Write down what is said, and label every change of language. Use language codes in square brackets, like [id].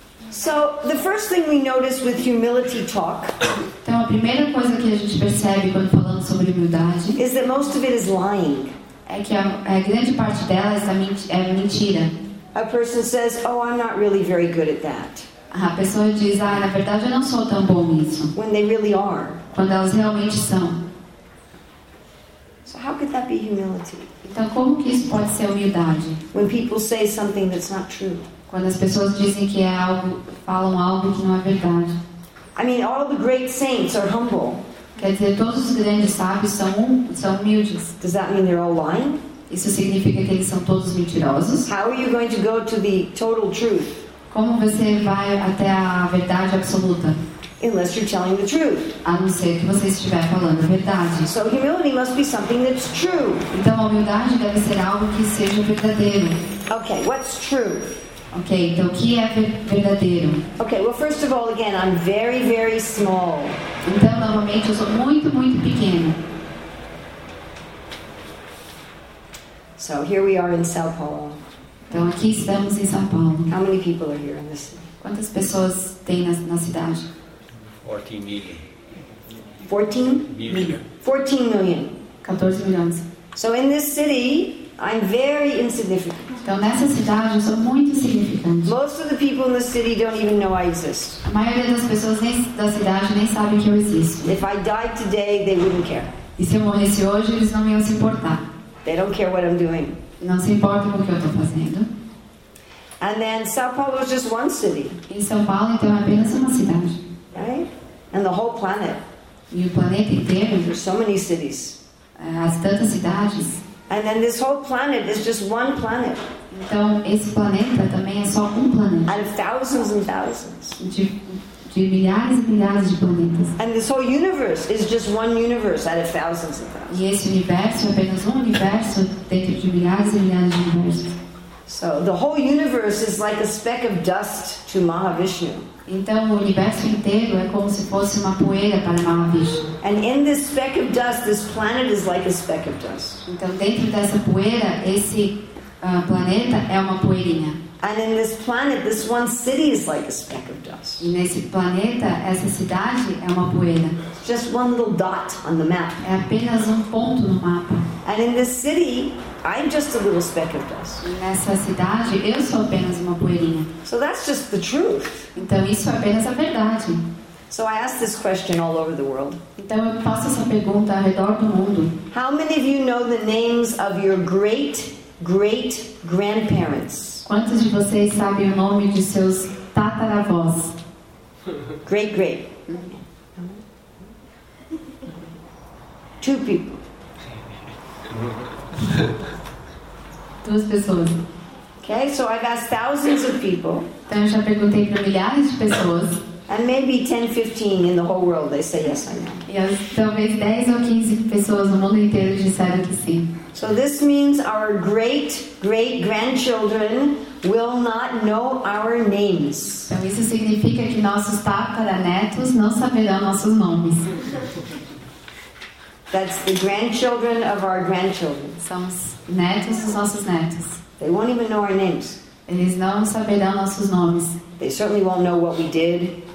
[en] So the first thing we notice with humility talk. [pt] Então a primeira coisa que a gente percebe quando falamos sobre humildade [en] is that most of it is lying. [pt] É que a grande parte dela é mentira. [en] A person says, "Oh, I'm not really very good at that." [pt] A pessoa diz, ah, na verdade, eu não sou tão bom nisso. [en] When they really are. [pt] Quando elas realmente são. [en] So how could that be humility? [pt] Então, como que isso pode ser humildade? [en] When people say something that's not true. [pt] Quando as pessoas dizem que é algo, falam algo que não é verdade. [en] I mean, all the great saints are humble. [pt] Quer dizer, todos os grandes sábios são humildes. [en] Does that mean they're all lying? [pt] Isso significa que eles são todos mentirosos? [en] How are you going to go to the total truth? [pt] Como você vai até a verdade absoluta? [en] Unless you're telling the truth. [pt] A não ser que você estiver falando a verdade. [en] So humility must be something that's true. [pt] Então a humildade deve ser algo que seja verdadeiro. [en] Okay, what's true? [pt] Okay, então o que é verdadeiro? [en] Okay, well, first of all, again, I'm very, very small. [pt] Então, novamente, eu sou muito, muito pequeno. [en] So here we are in São Paulo. [pt] Então aqui estamos em São Paulo. [en] How many people are here in this? [pt] Quantas pessoas tem na cidade? [en] 14 million. 14 million. [pt] 14 milhões. [en] So in this city, I'm very insignificant. [pt] Então nessa cidade eu sou muito insignificante. [en] Most of the people in the city don't even know I exist. [pt] A maioria das pessoas da cidade nem sabe que eu existo. [en] If I died today, they wouldn't care. [pt] E se eu morresse hoje, eles não iam se importar. [en] They don't care what I'm doing. [pt] Não se importa com o que eu estou fazendo. [en] And then São Paulo is just one city. [pt] E São Paulo então é apenas uma cidade. [en] Right? And the whole planet. [pt] E o planeta inteiro. [en] There's so many cities. [pt] Há tantas cidades. [en] And then this whole planet is just one planet. [pt] Então esse planeta também é só um planeta. [en] Out of thousands and thousands. [pt] De milhares e milhares de planetas. [en] And this whole universe is just one universe out of thousands and thousands. [pt] E esse universo é apenas um universo dentro de milhares e milhares de universos. [en] So the whole universe is like a speck of dust to Mahavishnu. [pt] Então o universo inteiro é como se fosse uma poeira para Mahavishnu. [en] And in this speck of dust, this planet is like a speck of dust. [pt] Então dentro dessa poeira, esse planeta é uma poeirinha. [en] And in this planet, this one city is like a speck of dust. [pt] E nesse planeta, essa cidade é uma poeira. [en] Just one little dot on the map. [pt] É apenas ponto no mapa. [en] And in this city, I'm just a little speck of dust. [pt] E nessa cidade, eu sou apenas uma poeirinha. [en] So that's just the truth. [pt] Então isso é apenas a verdade. [en] So I ask this question all over the world. [pt] Então eu faço essa pergunta ao redor do mundo. [en] How many of you know the names of your great great grandparents? [pt] Quantos de vocês sabem o nome de seus tataravós? [en] Great great. Two people. [pt] Duas pessoas. [en] Okay, so I've asked thousands of people. [pt] Então eu já perguntei para milhares de pessoas. [en] And maybe 10, 15 in the whole world, they say yes, I know. [pt] Yes, talvez 10 ou 15 pessoas no mundo inteiro disseram que sim. [en] So this means our great great grandchildren will not know our names. [pt] Então isso significa que nossos tataranetos não saberão nossos nomes. [en] That's the grandchildren of our grandchildren. [pt] São os netos dos nossos netos. [en] They won't even know our names. [pt] Eles não saberão nossos nomes. [en] They certainly won't know what we did.